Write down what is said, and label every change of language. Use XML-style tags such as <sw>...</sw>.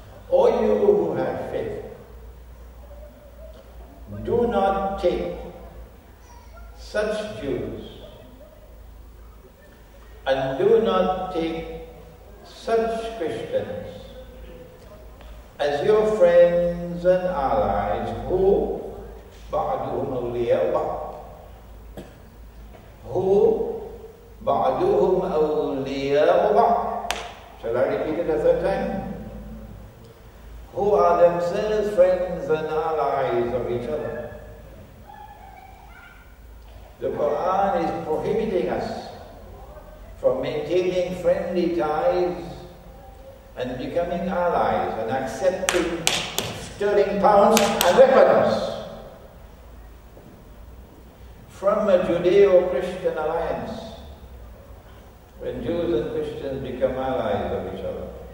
<en>All you who have faith, do not take such Jews and do not take such Christians as your friends and allies who</en> <ar>بعضهم أولياء بعض.</ar> <en>Who</en> <ar>بعضهم أولياء بعض.</ar> <en>Shall I repeat it a third time? Who are themselves friends and allies of each other. The Quran is prohibiting us from maintaining friendly ties and becoming allies and accepting sterling pounds and weapons from a Judeo-Christian alliance, when Jews and Christians become allies of each other.</en>